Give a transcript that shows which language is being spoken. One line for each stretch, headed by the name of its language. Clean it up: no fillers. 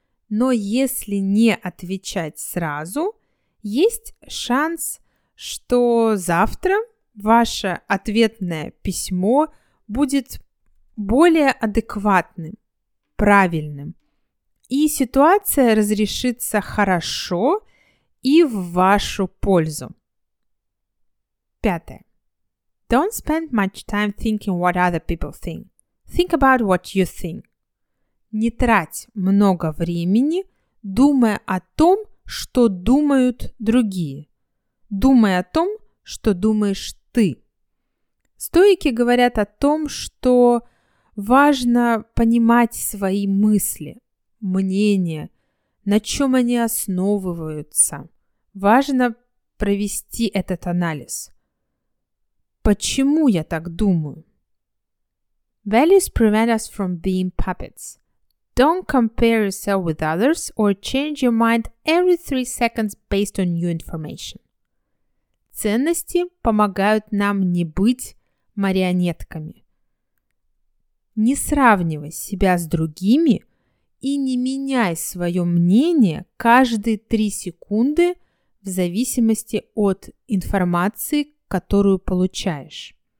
Russian: Но если не отвечать сразу, есть шанс, что завтра ваше ответное письмо будет более адекватным, правильным. И ситуация разрешится хорошо и в вашу пользу. Пятое.
English: Don't spend much time thinking what other people think. Think about what you think.
Russian: Не трать много времени, думая о том, что думают другие. Думай о том, что думаешь ты. Стоики говорят о том, что важно понимать свои мысли, мнения, на чем они основываются. Важно провести этот анализ. Почему я так думаю?
English: Values prevent us from being puppets. Don't compare yourself with others or change your mind every 3 seconds based on new information.
Russian: Ценности помогают нам не быть марионетками. Не сравнивай себя с другими и не меняй свое мнение каждые 3 секунды в зависимости от информации, которую получаешь.